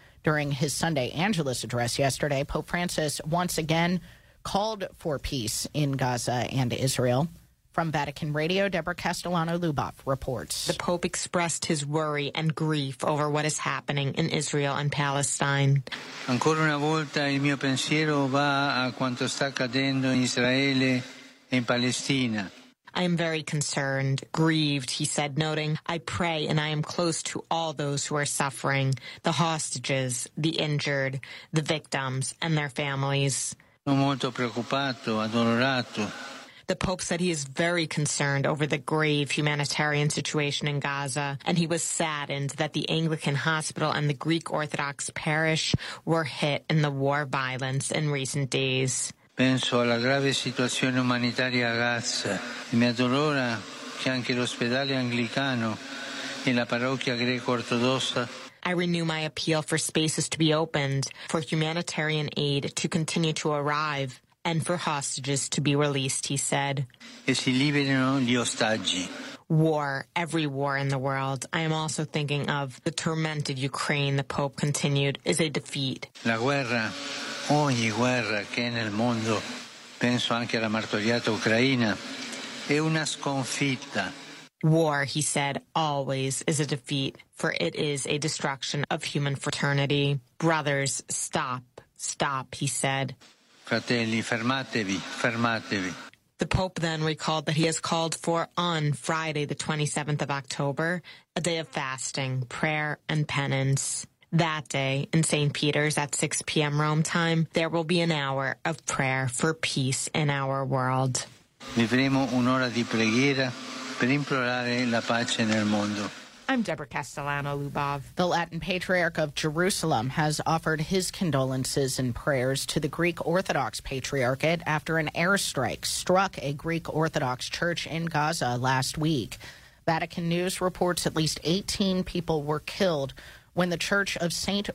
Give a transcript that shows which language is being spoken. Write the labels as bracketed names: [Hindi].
[English] During his Sunday Angelus address yesterday, Pope Francis once again called for peace in Gaza and Israel. From Vatican Radio, Deborah Castellano-Luboff reports. The Pope expressed his worry and grief over what is happening in Israel and Palestine. [Italian] Ancora una volta il mio pensiero va a quanto sta accadendo in Israele e in Palestina. [English] I am very concerned, grieved, he said, noting, I pray and I am close to all those who are suffering, the hostages, the injured, the victims, and their families. [Italian] Molto preoccupato, addolorato. [English] The Pope said he is very concerned over the grave humanitarian situation in Gaza, and he was saddened that the Anglican hospital and the Greek Orthodox parish were hit in the war violence in recent days. [Italian] Penso alla grave situazione umanitaria a Gaza e mi addolora che anche l'ospedale anglicano e la parrocchia greco-ortodossa. [English] I renew my appeal for spaces to be opened, for humanitarian aid to continue to arrive, and for hostages to be released, he said. [Italian] E si liberino gli ostaggi. [English] War, every war in the world. I am also thinking of the tormented Ukraine, the Pope continued, is a defeat. [Italian] La guerra, ogni guerra che è nel mondo, penso anche alla martoriata Ucraina, è una sconfitta. [English] War, he said, always is a defeat, for it is a destruction of human fraternity. Brothers, stop, stop, he said. [Italian] Fratelli, fermatevi, fermatevi. [English] The Pope then recalled that he has called for, on Friday, the 27th of October, a day of fasting, prayer, and penance. That day, in St. Peter's at 6 p.m. Rome time, there will be an hour of prayer for peace in our world. [Italian] Vivremo un'ora di preghiera per implorare la pace nel mondo. [English] I'm Deborah Castellano-Luboff. The Latin Patriarch of Jerusalem has offered his condolences and prayers to the Greek Orthodox Patriarchate after an airstrike struck a Greek Orthodox church in Gaza last week. Vatican News reports at least 18 people were killed when the Church of St.